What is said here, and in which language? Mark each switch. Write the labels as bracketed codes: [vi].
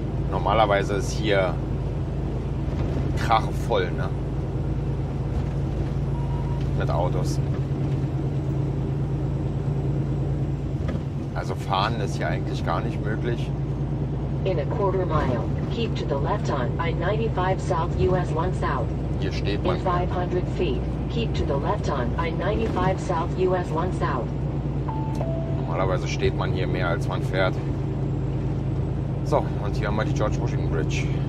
[de] Normalerweise ist hier krachvoll, ne? Mit Autos. Also fahren ist ja eigentlich gar nicht möglich. [en] In a quarter mile, keep to the left on I-95 South US 1 South. [de] Hier steht man. [en] In 500 feet, keep to the left on I-95 South US 1 South. [de] Normalerweise steht man hier mehr als man fährt. So, und hier haben wir die George Washington Bridge.